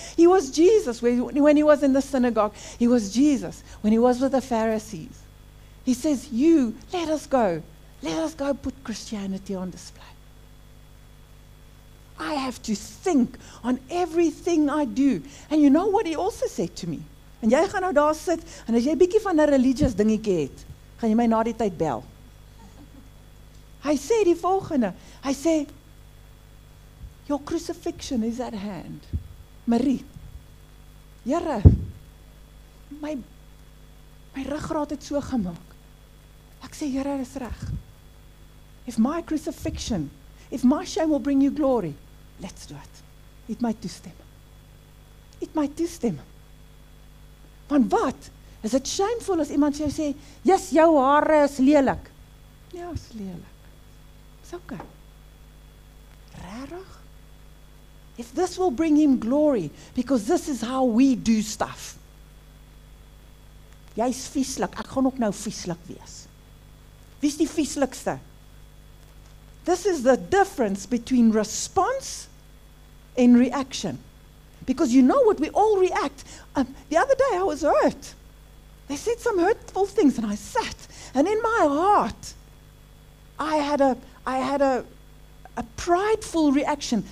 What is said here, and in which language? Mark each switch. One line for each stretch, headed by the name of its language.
English: He was Jesus when he was in the synagogue. He was Jesus when he was with the Pharisees. He says, you, let us go. Let us go put Christianity on display. I have to think on everything I do. And you know what he also said to me?
Afrikaans: And jy gaan nou daar sit, en as jy bietjie van 'n religious dingetjie het, gaan jy my na die tyd bel. Hy sê die volgende, hy sê,
English: your crucifixion is at hand.
Afrikaans: Marie, Here, my ruggraat het so gemaak. Ek sê, Here, is reg.
English: If my shame will bring you glory, let's do it.
Afrikaans: Eat my toestem. Want wat?
English: Is it shameful
Afrikaans: as iemand jou sê,
English: yes,
Afrikaans: jou hare is lelik. Ja, is lelik. Okay. Rarig?
English: If this will bring him glory, because this is how we do stuff.
Afrikaans: Jy's vieslik, ek gaan ook nou vieslik wees. Wie's die vieslikste?
English: This is the difference between response and reaction. Because you know what, we all react. The other day I was hurt. They said some hurtful things and I sat. And in my heart, I had a prideful reaction.